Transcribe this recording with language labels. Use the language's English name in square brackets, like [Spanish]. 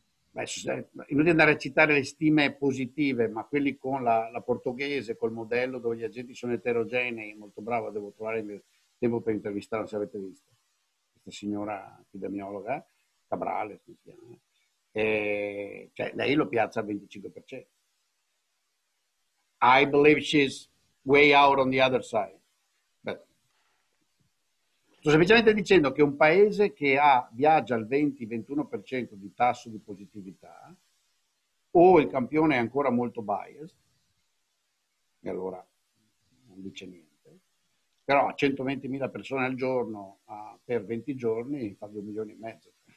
[Italian] Beh, inutile andare a citare le stime positive, ma quelli con la portoghese, col modello dove gli agenti sono eterogenei, molto bravo, devo trovare il mio tempo per intervistare, se avete visto, questa signora epidemiologa, Cabrale, si chiama, cioè lei lo piazza al 25%. [English] I believe she's way out on the other side. [Italian] Beh, sto semplicemente dicendo che un paese che viaggia al 20-21% di tasso di positività, o il campione è ancora molto biased, e allora non dice niente, però a 120.000 persone al giorno per 20 giorni fa 2 milioni e mezzo.